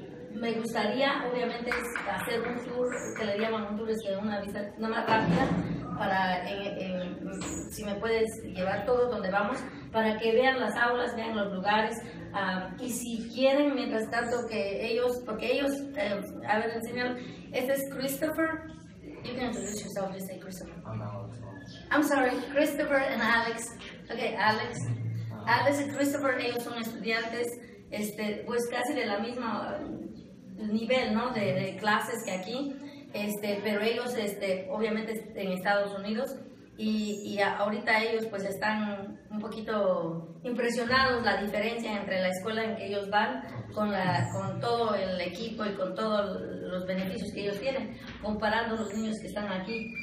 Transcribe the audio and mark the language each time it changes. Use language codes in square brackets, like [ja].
[es] Me gustaría obviamente hacer un tour, que le llaman un tour, una rápida, para si me puedes llevar todo donde vamos, para que vean las aulas, vean los lugares, y si quieren, mientras tanto, que ellos, porque ellos, a ver, enseñar, este es Christopher. [en] You can introduce yourself, just say Christopher. I'm sorry, Christopher and Alex. Okay, Alex. [es] Alex y Christopher, ellos son estudiantes, pues casi de la misma nivel, ¿no?, de clases que aquí, pero ellos, obviamente en Estados Unidos, y ahorita ellos pues están un poquito impresionados la diferencia entre la escuela en que ellos van con todo el equipo y con todos los beneficios que ellos tienen, comparando los niños que están aquí.